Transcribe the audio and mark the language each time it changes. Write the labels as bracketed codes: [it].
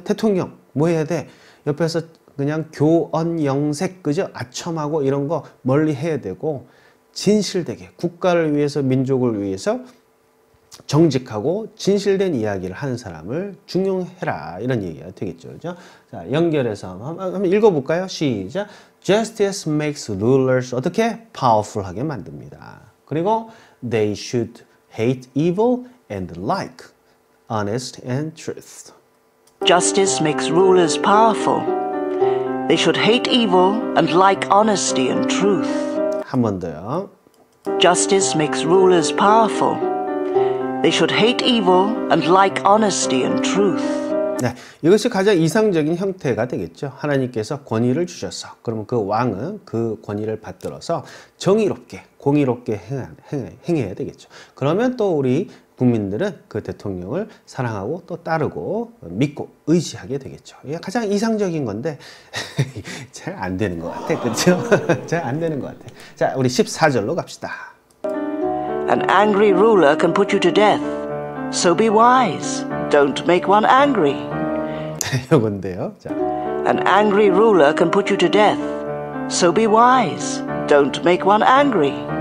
[ko] 대통령, 뭐 해야 돼? 옆에서 그냥 교언 영색, 그죠? 아첨하고 이런 거 멀리 해야 되고, 진실되게, 국가를 위해서, 민족을 위해서 정직하고 진실된 이야기를 하는 사람을 중용해라. 이런 얘기가 되겠죠. 그죠? 자, 연결해서 한번 읽어볼까요? 시작. [en] Justice makes rulers, 어떻게? [ko] powerful하게 만듭니다. [en] 그리고 they should hate evil and like honest and truth. Justice makes rulers powerful. They should hate evil and like honesty and truth. [ko] 한 번 더요. [en] Justice makes rulers powerful. They should hate evil and like honesty and truth. [ko] 네, 이것이 가장 이상적인 형태가 되겠죠. 하나님께서 권위를 주셔서 그러면 그 왕은 그 권위를 받들어서 정의롭게 공의롭게 행해야 되겠죠. 그러면 또 우리 국민들은 그 대통령을 사랑하고 또 따르고 믿고 의지하게 되겠죠. 이게 가장 이상적인 건데 잘 안 되는 것 같아. 그렇죠? 잘 안 되는 것 같아. 자, 우리 14절로 갑시다. [en] An angry ruler can put you to death. So be wise. Don't make one angry. [ko] 요건데요. 자. [en] An angry ruler can put you to death. So be wise. Don't make one angry.